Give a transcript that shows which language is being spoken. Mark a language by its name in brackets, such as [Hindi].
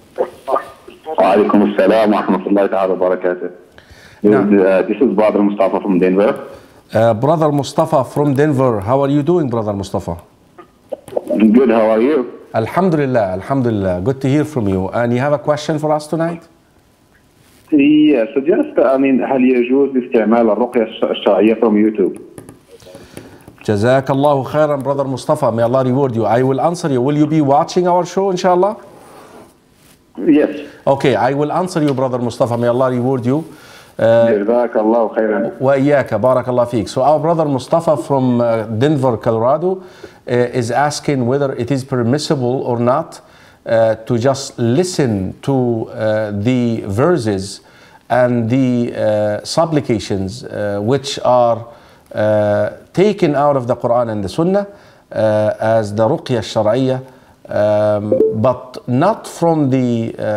[Arabic] Wa alaikum assalam wa rahmatullahi wa barakatuh. [English] This is Brother Mustafa from Denver. Brother Mustafa from Denver, how are you doing, Brother Mustafa? Good, how are you? Alhamdulillah, alhamdulillah. Good to hear from you. And you have a question for us tonight? Yes, so just, [Arabic] هل يجوز استعمال الرقية الشرعية [English] from YouTube? [Arabic] جزاك الله خيرا, [English] Brother Mustafa. May Allah reward you. I will answer you. Will you be watching our show, inshallah? Yes. Okay, I will answer you, Brother Mustafa. May Allah reward you. [Arabic] جزاك الله خيرا. [English] So our brother Mustafa from Denver, Colorado is asking whether it is permissible or not to just listen to the verses and the supplications which are taken out of the Quran and the Sunnah as the ruqya al-shar'iyya, but not from the